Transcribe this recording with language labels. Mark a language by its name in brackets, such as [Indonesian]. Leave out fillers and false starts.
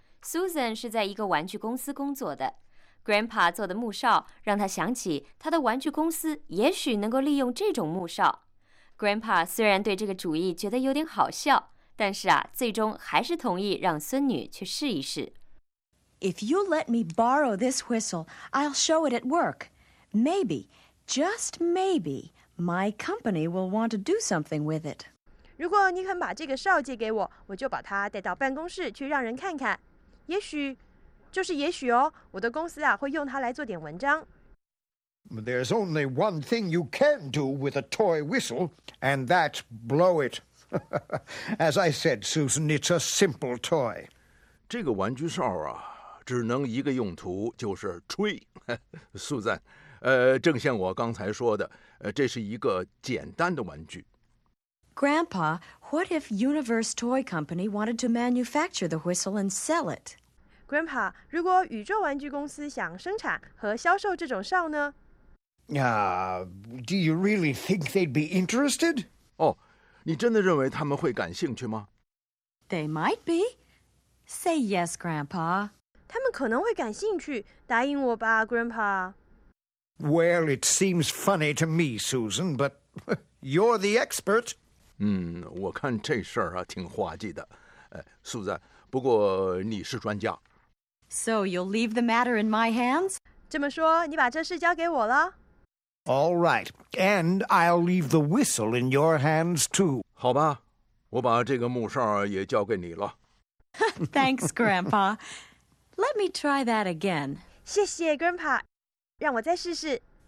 [Chinese] Susan 是在一个玩具公司工作的。Grandpa 做的木哨让他想起他的玩具公司也许能够利用这种木哨。 Grandpa 虽然对这个主意觉得有点好笑，但是啊，最终还是同意让孙女去试一试。 [English] If you let me borrow this whistle, I'll show it at work. Maybe, just maybe, my company will want to do something with it. [Chinese] 如果你肯把这个哨借给我，我就把它带到办公室去让人看看。也许，就是也许哦，我的公司啊会用它来做点文章。 [English] There's only one thing you can do with a toy whistle, and that's blow it. As I said, Susan, it's a simple toy. [Chinese] 这个玩具哨啊，只能一个用途，就是吹。苏赞，正像我刚才说的，这是一个简单的玩具。 [English] Grandpa, what if Universe Toy Company wanted to manufacture the whistle and sell it? [Chinese] Grandpa, 如果宇宙玩具公司想生产和销售这种哨呢？ [English] Do you really think they'd be interested? [Chinese] 你真的认为他们会感兴趣吗？ [English] They might be. Say yes, Grandpa. [Chinese] 他们可能会感兴趣，答应我吧 ，Grandpa. [English] Well, it seems funny to me, Susan, but you're the expert. [Chinese] 我看这事儿啊挺滑稽的。苏赞，不过你是专家。 [English] So you'll leave the matter in my hands? [Chinese] 这么说你把这事交给我了。 [English] All right, and I'll leave the whistle in your hands too. [Chinese] 好吧，我把这个木哨也交给你了。 [English] Thanks, Grandpa. Let me try that again. [Chinese] 谢谢 Grandpa, 让我再试试。